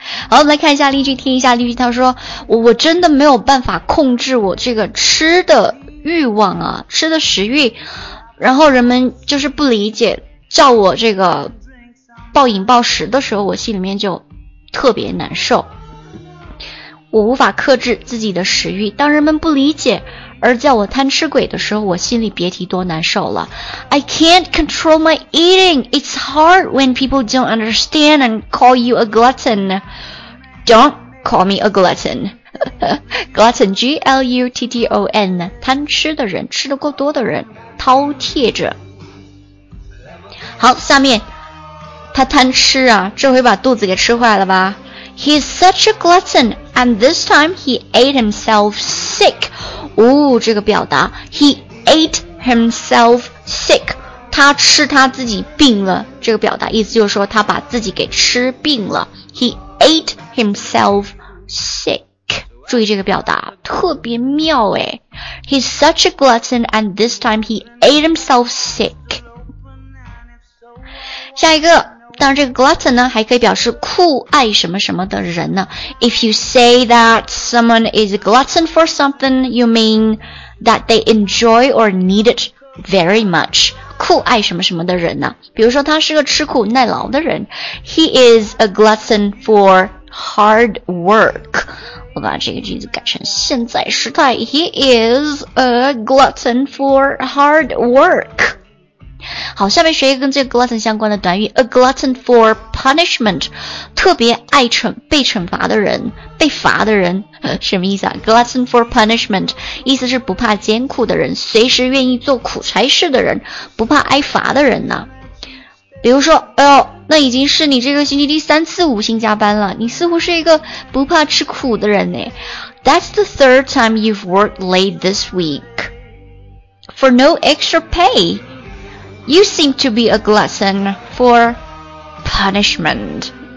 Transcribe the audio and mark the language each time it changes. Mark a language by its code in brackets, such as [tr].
[zh] 好，来看一下例句，听一下例句。他说 我真的没有办法控制我这个吃的欲望啊，吃的食欲，然后人们就是不理解，叫我这个暴饮暴食的时候，我心里面就特别难受，我无法克制自己的食欲，当人们不理解而叫我贪吃鬼的时候，我心里别提多难受了。 [en] I can't control my eating. It's hard when people don't understand and call you a glutton. Don't call me a glutton. Glutton, G-L-U-T-T-O-N, [zh] 贪吃的人，吃得够多的人，饕餮者。好，下面他贪吃啊，这回把肚子给吃坏了吧。 [en] He's such a glutton, and this time he ate himself sick. [zh] 哦，这个表达 , [en] he ate himself sick, [zh] 他吃他自己病了，这个表达意思就是说他把自己给吃病了。 [en] He ate himself sick. [zh] 注意这个表达特别妙诶。 [en] He's such a glutton, and this time he ate himself sick. [zh] 下一个。当然这个 glutton 呢还可以表示酷爱什么什么的人呢。 [en] If you say that someone is a glutton for something, you mean that they enjoy or need it very much. [zh] 酷爱什么什么的人呢。比如说他是个吃苦耐劳的人。 [en] He is a glutton for hard work. [zh] 我把这个句子改成现在时态。 [en] He is a glutton for hard work. [zh] 好，下面学一个跟这个 glutton 相关的短语， [en] a glutton for punishment， [zh] 特别爱惩被惩罚的人，被罚的人，什么意思啊？ glutton for punishment， 意思是不怕艰苦的人，随时愿意做苦差事的人，不怕挨罚的人呢。比如说，哎呦，那已经是你这个星期第三次无薪加班了，你似乎是一个不怕吃苦的人呢。 [en] That's the third time you've worked late this week for no extra pay. You seem to be a glutton for punishment.